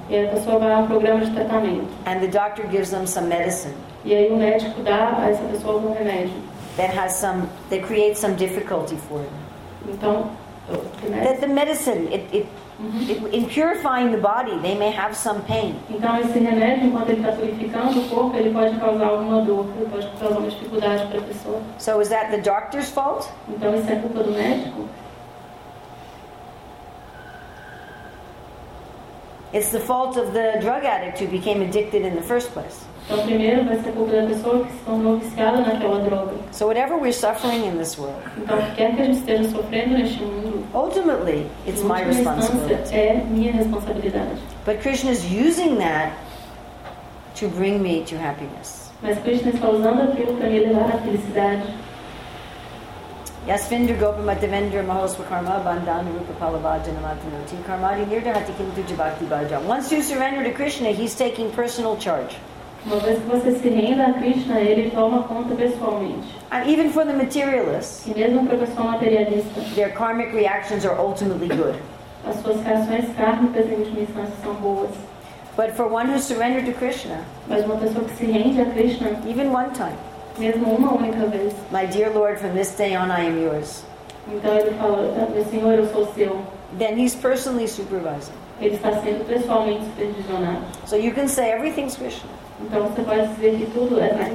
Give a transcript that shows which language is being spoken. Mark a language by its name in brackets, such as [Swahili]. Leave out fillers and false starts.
[Portuguese] E a pessoa vai a um programa de tratamento. [English] And the doctor gives them some medicine. [Portuguese] E aí o médico dá a essa pessoa algum remédio. [English] that has some that creates some difficulty for him. [Portuguese] Então, [English] that the medicine it in purifying the body they may have some pain. [Portuguese] Então esse remédio enquanto ele está purificando o corpo ele pode causar alguma dor, ele pode causar uma dificuldade para a pessoa. [English] So is that the doctor's fault? [Portuguese] Então isso é culpa do médico? [English] It's the fault of the drug addict who became addicted in the first place. [Portuguese] Então, primeiro vai ser culpa da pessoa que se tornou viciada naquela droga. [English] So whatever we're suffering in this world. [Portuguese] Então, quer que a gente esteja sofrendo neste mundo. [English] Ultimately, it's my responsibility. [Portuguese] É minha responsabilidade. [English] But Krishna is using that to bring me to happiness. [Portuguese] Mas Krishna está usando aquilo para me levar à felicidade. [Sanskrit] Yasvindra Gopamatavendra Mahoswakarma Bandhan Rupa Palavajanamatanoti Karmati Nirdahati Kintu Jabhakti Bhaja. [English] Once you surrender to Krishna, he's taking personal charge. [Portuguese] Uma vez que você se renda a Krishna, ele toma conta pessoalmente. [English] And even for the materialists, [Portuguese] e mesmo para a pessoa materialista, [English] their karmic reactions are ultimately good. [Portuguese] As suas reações kármicas em última instância são boas. [English] But for one who surrendered to Krishna, [Portuguese] mas uma pessoa que se rende a Krishna, [English] even one time. [Portuguese] Mesmo uma única vez. [English] My dear Lord, from this day on, I am yours. [Portuguese] Então ele fala, meu Senhor, eu sou seu. [English] Then he's personally supervising. [Portuguese] Ele está sendo pessoalmente supervisionado. [English] So you can say everything's Krishna. [Portuguese] Então você pode dizer que tudo é Krishna.